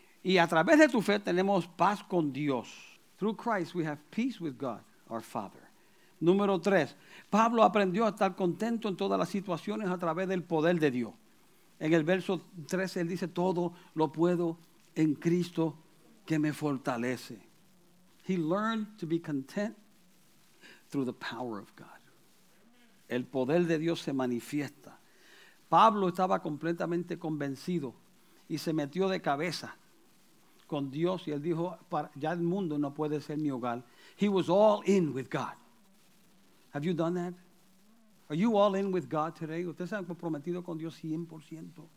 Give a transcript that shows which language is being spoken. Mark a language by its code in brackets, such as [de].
[es] Y a través de tu fe tenemos paz con Dios. [en] Through Christ we have peace with God, our Father. [es] Número 3, Pablo aprendió a estar contento en todas las situaciones a través del poder de Dios. En el verso 13, él dice, todo lo puedo en Cristo que me fortalece. [en] He learned to be content through the power of God. [es] El poder de Dios se manifiesta. Pablo estaba completamente convencido y se metió de cabeza con Dios. Y él dijo, ya el mundo no puede ser mi hogar. [en] He was all in with God. Have you done that? Are you all in with God today? [es] ¿Usted se ha comprometido con Dios 100%?